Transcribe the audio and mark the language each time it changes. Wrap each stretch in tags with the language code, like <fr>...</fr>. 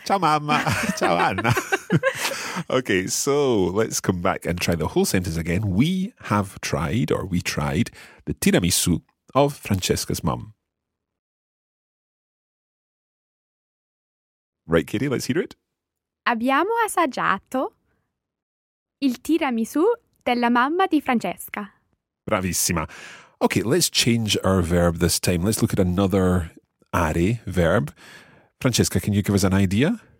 <it>Ciao mamma. Ciao Anna.</it> <en>Okay, so let's come back and try the whole sentence again. We have tried, or we tried, the tiramisu of Francesca's mum. Right, Katie, let's hear it.</en> <it>Abbiamo assaggiato il tiramisu della mamma di Francesca. Bravissima.</it> <en>Okay, let's change our verb this time. Let's look at another are verb. Francesca, can you give us an idea?</en>